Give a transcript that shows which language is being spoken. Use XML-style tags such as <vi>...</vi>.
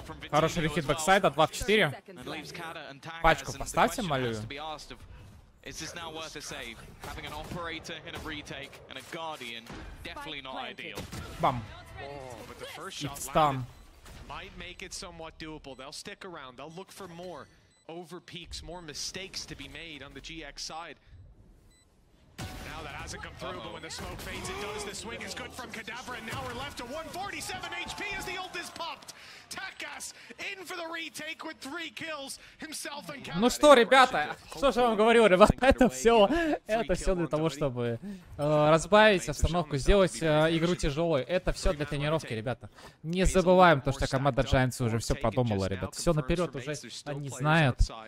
<ru>Хороший рехит бэксайда, 2 в 4. Пачку поставьте, молю.</ru> <en>Is this now worth a save? Having an operator in a retake and a guardian definitely not ideal. Bam. Oh, but the first shot landed. Might make it somewhat doable. They'll stick around. They'll look for more over peaks, more mistakes to be made on the GX side. Now that hasn't come through, but when the smoke fades, it does. The swing is good from Kadavra, and now we're left to 147 HP as the ult is popped. Takas in for the retake with three kills himself and Kadavra.</en> <ru>Ну что, ребята, что же я вам говорю, ребята, это все для того, чтобы разбавить обстановку, сделать игру тяжелой. Это все для тренировки, ребята. Не забываем то, что команда Giants уже все подумала, ребят. Все наперед уже они знают.</ru>